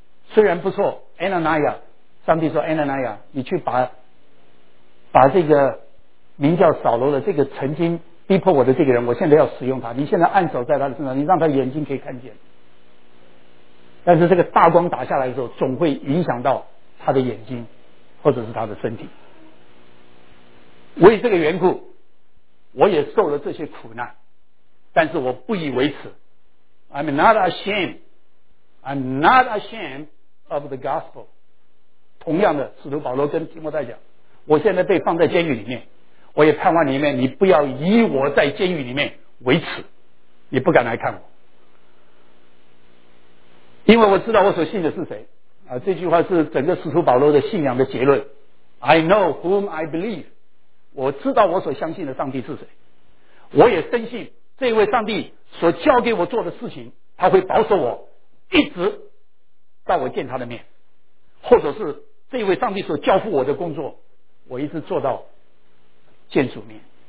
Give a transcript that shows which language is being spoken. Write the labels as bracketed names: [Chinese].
[Chinese] 虽然不错 Ananiya， 上帝说 Ananiya， 你去把这个名叫扫罗的这个曾经逼迫我的这个人，我现在要使用他，你现在按手在他的身上，你让他眼睛可以看见。但是这个大光打下来的时候，总会影响到他的眼睛或者是他的身体。为这个缘故，我也受了这些苦难，但是我不以为耻。 [English] I'm not ashamed I'm not ashamed of the gospel。 [Chinese] 同样的，使徒保罗跟提摩太讲，我现在被放在监狱里面，我也盼望里面你不要以我在监狱里面为耻，你不敢来看我，因为我知道我所信的是谁啊。这句话是整个使徒保罗的信仰的结论， [English] I know whom I believe， [Chinese] 我知道我所相信的上帝是谁，我也深信这位上帝所交给我做的事情，他会保守我一直到我见他的面，或者是这位上帝所交付我的工作，我一直做到见主面。